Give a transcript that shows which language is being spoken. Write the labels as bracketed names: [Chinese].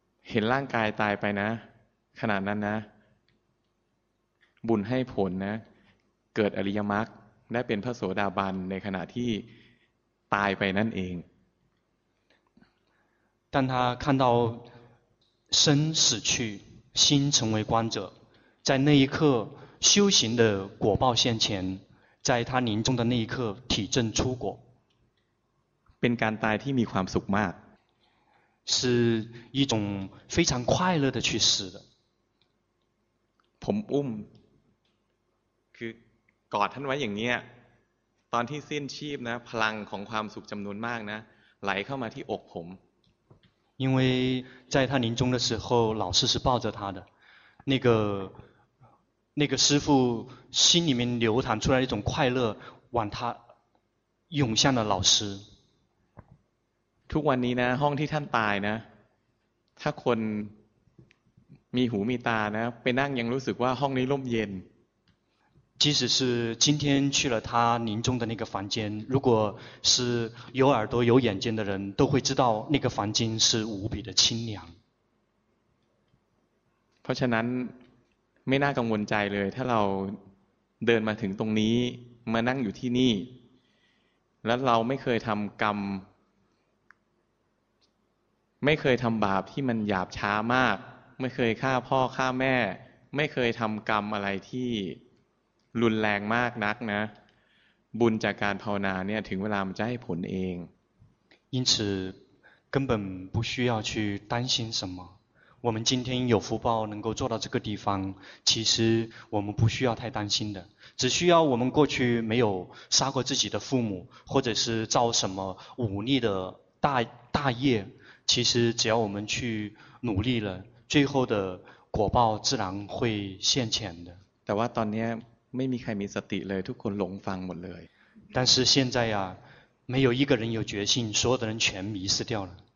[Thai] เห็นร่างกายตายไปนะขนาดนั้นนะบุญให้ผลนะเกิดอริยมรรคได้เป็นพระโสดาบันในขณะที่ตายไปนั่นเอง [Chinese] 当他看到身死去心成为观者在那一刻修行的果报现前在他临终的那一刻体证出果 [Thai] เป็นการตายที่มีความสุขมาก [Chinese] 是一种非常快乐的去死的 [Thai] ผมอุ้มคือกอดท่านไว้อย่างเงี้ยตอนที่สิ้นชีพนะพลังของความสุขจำนวนมากนะไหลเข้ามาที่อกผม [Chinese] 因为在他临终的时候老师是抱着他的那个师父心里面流淌出来一种快乐往他涌向了老师 [Thai] ทุกวันนี้นะห้องที่ท่านตายนะถ้าคนมีหูมีตานะไปนั่งยังรู้สึกว่าห้องนี้ร่มเย็น [Chinese] 即使是今天去了他临终的那个房间如果是有耳朵有眼睛的人都会知道那个房间是无比的清凉 [Thai] เพราะฉะนั้นไม่น่ากังวลใจเลยถ้าเราเดินมาถึงตรงนี้มานั่งอยู่ที่นี่แล้วเราไม่เคยทำกรรมไม่เคยทำบาปที่มันหยาบช้ามากไม่เคยฆ่าพ่อฆ่าแม่ไม่เคยทำกรรมอะไรที่รุนแรงมากนักนะบุญจากการภาวนาเนี่ยถึงเวลามันจะให้ผลเอง [Chinese] 因此根本不需要去担心什么我们今天有福报能够做到这个地方其实我们不需要太担心的只需要我们过去没有杀过自己的父母或者是造什么忤逆的大业其实只要我们去努力了最后的果报自然会现前的 [Thai] แต่ว่าตอนนี้ไม่มีใครมีสติเลยทุกคนหลงฟังหมดเลย [Chinese] 但是现在啊没有一个人有决心所有的人全迷失掉了